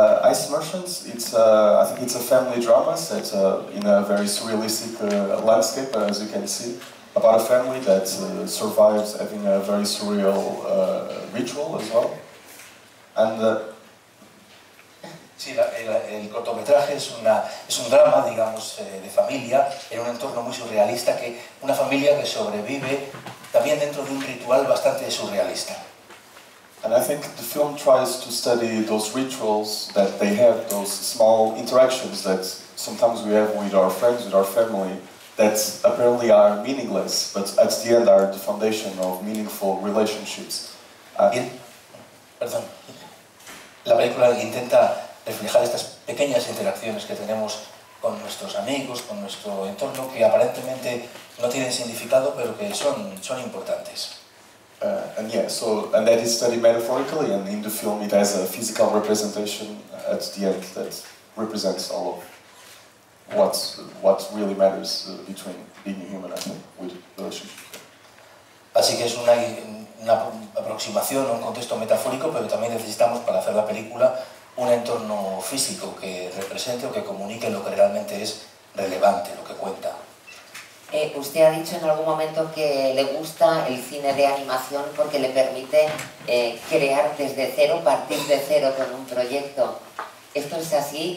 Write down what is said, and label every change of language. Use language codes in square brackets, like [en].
[en] Ice Merchants, it's a family drama set in a very surrealistic landscape, as you can see, about a family that survives having a very surreal ritual as well. And [es] sí, el cortometraje es un drama, digamos, de familia en un entorno muy surrealista, que una familia que sobrevive también dentro de un ritual bastante surrealista. [en] And I think the film tries to study those rituals that they have, those small interactions that sometimes we have with our friends, with our family, that apparently are meaningless, but at the end are the foundation of meaningful relationships. [es] Perdón. La película intenta reflejar estas pequeñas interacciones que tenemos con nuestros amigos, con nuestro entorno, que aparentemente no tienen significado, pero que son importantes. [en] And that is studied metaphorically, and in the film it has a physical representation at the end that represents all of what really matters between being human and with relationships. [es] Así que es una aproximación a un contexto metafórico, pero también necesitamos para hacer la película un entorno físico que represente o que comunique lo que realmente es relevante, lo que cuenta. Usted ha dicho en algún momento que le gusta el cine de animación porque le permite crear desde cero, partir de cero con un proyecto. ¿Esto es así?